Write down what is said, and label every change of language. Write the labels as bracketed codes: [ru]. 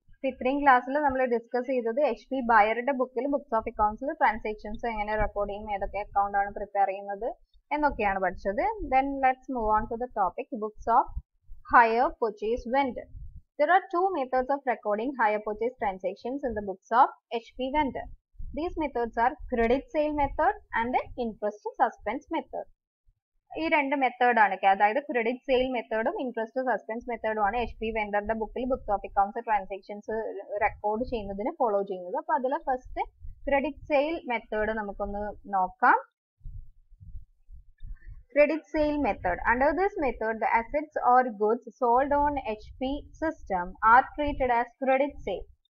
[ml] ഇത്രയും ക്ലാസ്സിൽ നമ്മൾ ഡിസ്കസ് ചെയ്തത് എച്ച് പി ബയറുടെ ബുക്കിൽ, ബുക്സ് ഓഫ് അക്കൗണ്ട്സിൽ ട്രാൻസാക്ഷൻസ് എങ്ങനെ റെക്കോർഡ് ചെയ്യും, ഏതൊക്കെ അക്കൗണ്ട് ആണ് പ്രിപ്പയർ ചെയ്യുന്നത് എന്നൊക്കെയാണ് പഠിച്ചത്. [en] Then let's move on to the topic books of hire purchase vendor. There are two methods of recording hire purchase transactions in the books of H P vendor. These methods are credit sale method and interest suspense method. [ml] ഈ രണ്ട് method ആണ്, അതായത് credit sale മെത്തേഡും interest suspense മെത്തേഡും ആണ് H P വെൻഡറുടെ ബുക്കിൽ books of accounts transactions record ചെയ്യുന്നതിന് follow ചെയ്യുന്നത്. അപ്പൊ അതിലെ ഫസ്റ്റ് ക്രെഡിറ്റ് സെയിൽ മെത്തേഡ് നമുക്കൊന്ന് നോക്കാം. [en] Credit sale method, under this method the assets or goods sold on H P system are treated as credit sale.